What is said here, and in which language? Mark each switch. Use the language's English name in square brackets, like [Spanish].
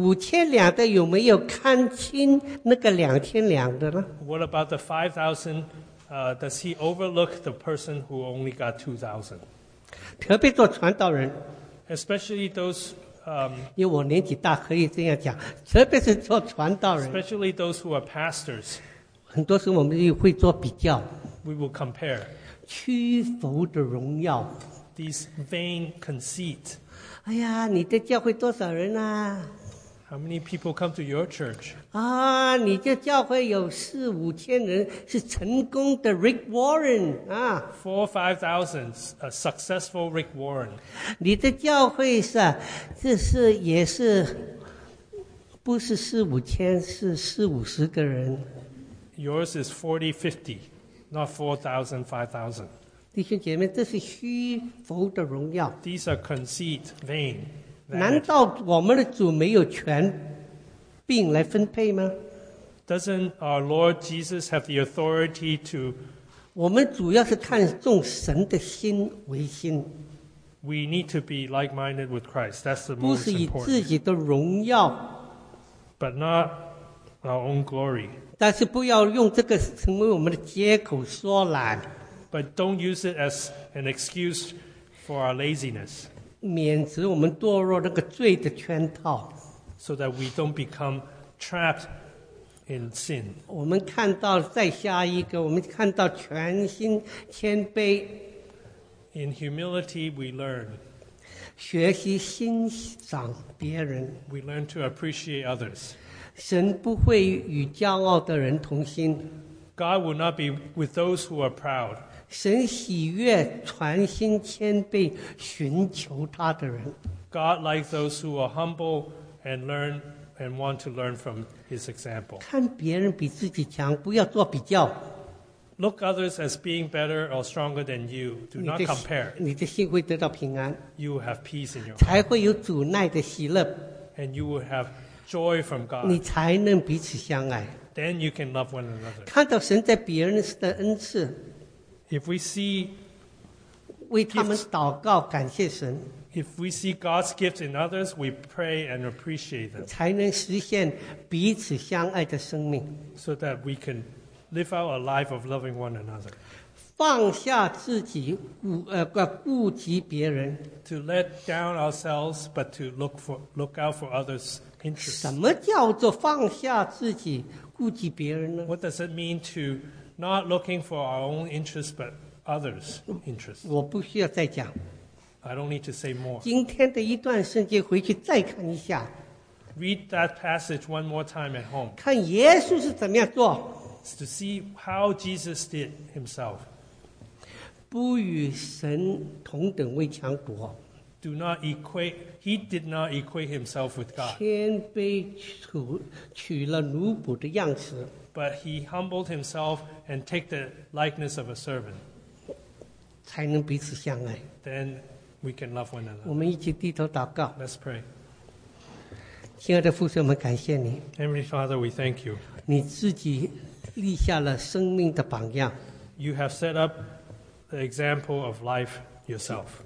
[Chinese] 五千两的有没有看清那个两千两的呢 [English] What about the 5,000? Does he overlook the person who only got 2,000? [Chinese] 特别做传道人 [English] Especially those [Chinese] 因为我年纪大可以这样讲特别是做传道人 [English] Especially those who are pastors [Chinese] 很多时候我们也会做比较 [English] We will compare [Chinese] 屈服的荣耀 [English] These vain conceit [Chinese] 哎呀，你的教会多少人啊 [English] ？How many people come to your church？ [Chinese] 啊，你的教会有四五千人，是成功的 Rick Warren 啊。 [English] 4,000 to 5,000 a successful Rick Warren。 [Chinese] 你的教会是、啊，这是也是，不是四五千，是四五十个人。 [English] Yours is 40, 50, not 4,000, 5,000。 [Chinese] 弟兄姐妹，这是虚浮的荣耀。 [English] These are conceit, vain. [Chinese] 难道我们的主没有权柄来分配吗 [English] ？Doesn't our Lord Jesus have the authority to? [Chinese] 我们主要是看重神的心为心。 [English] We need to be like-minded with Christ. That's the most important. [Chinese] 不是以自己的荣耀 [English] ，but not our own glory. [Chinese] 但是不要用这个成为我们的借口说懒。 [English] But don't use it as an excuse for our laziness. [Chinese] 免除我们堕入那个罪的圈套。 [English] So that we don't become trapped in sin. [Chinese] 我们看到再下一个，我们看到全心谦卑。 [English] In humility, we learn. [Chinese] 学习欣赏别人。 [English] We learn to appreciate others. [Chinese] 神不会与骄傲的人同心。 [English] God will not be with those who are proud. [Chinese] 神喜悦全心谦卑寻求他的人。 [English] God likes those who are humble and learn and want to learn from his example. [Chinese] 看别人比自己强，不要做比较。 [English] Look others as being better or stronger than you. Do not compare. [Chinese] 你的心会得到平安。 [English] You will have peace in your heart. [Chinese] 才会有主内的喜乐。 [English] And you will have joy from God. [Chinese] 你才能彼此相爱。 [English] Then you can love one another. [Chinese] 看到神在别人的恩赐。 [English] If we see [Chinese] 为他们祷告感谢神 [English] If we see God's gifts in others we pray and appreciate them [Chinese] 才能实现彼此相爱的生命 [English] So that we can live out a life of loving one another [Chinese] 放下自己顾及别人 [English] To let down ourselves but to look out for others' interests [Chinese] 什么叫做放下自己顾及别人呢 [English] What does it mean to Not looking for our own interests, but others' interests. [Chinese] 我不需要再讲。 [English] I don't need to say more. [Chinese] 今天的一段圣经回去再看一下。 [English] Read that passage one more time at home. [Chinese] 看耶稣是怎么样做。 [English] To see how Jesus did himself. [Chinese] 不与神同等为强夺。 [English] do not equate, he did not equate himself with God. [Chinese] 谦卑取了奴仆的样式, [English] but he humbled himself and take the likeness of a servant. [Chinese] 才能彼此相爱, [English] then we can love one another. [Chinese] 我们一起低头祷告, [English] let's pray. [Chinese] 亲爱的父亲, 我们感谢你, [English] Heavenly Father, we thank you. [Chinese] 你自己立下了生命的榜样, [English] you have set up the example of life yourself.